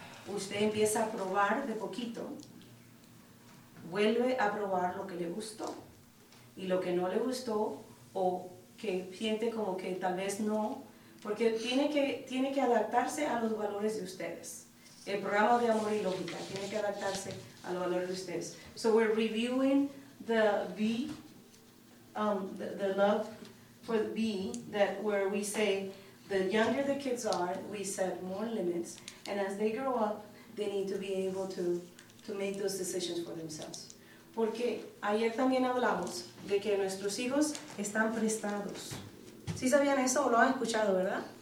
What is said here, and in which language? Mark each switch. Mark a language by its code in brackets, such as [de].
[es] Usted empieza a probar de poquito, vuelve a probar lo que le gustó y lo que no le gustó o que siente como que tal vez no, porque tiene que adaptarse a los valores de ustedes. El programa de Amor y Lógica tiene que adaptarse a los valores de ustedes. [en] So we're reviewing the V, the love for the V, that where we say the younger the kids are, we set more limits, and as they grow up, they need to be able to make those decisions for themselves. [es] Porque ayer también hablamos de que nuestros hijos están prestados. ¿Sí sabían eso o lo han escuchado, verdad?